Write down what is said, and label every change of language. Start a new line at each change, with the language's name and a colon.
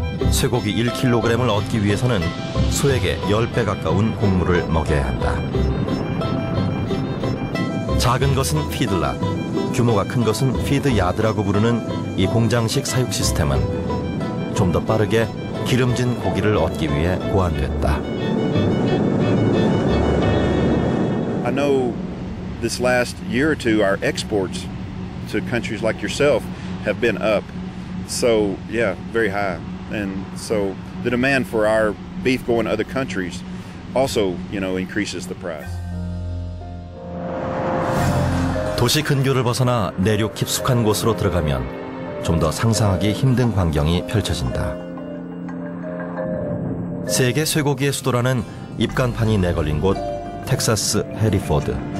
Korean: 쇠고기 1kg을 얻기 위해서는 소에게 10배 가까운 곡물을 먹여야 한다. 작은 것은 피들라, 규모가 큰 것은 피드 야드라고 부르는 이 공장식 사육 시스템은 좀 더 빠르게 기름진 고기를 얻기 위해 고안됐다.
English: I know this last year or two our exports to countries like yourself have been up. So, yeah, very high. And so the demand for our beef going to other countries also, you know, increases the price.
Korean: 도시 근교를 벗어나 내륙 깊숙한 곳으로 들어가면 좀 더 상상하기 힘든 광경이 펼쳐진다. 세계 쇠고기의 수도라는 입간판이 내걸린 곳 텍사스 해리포드.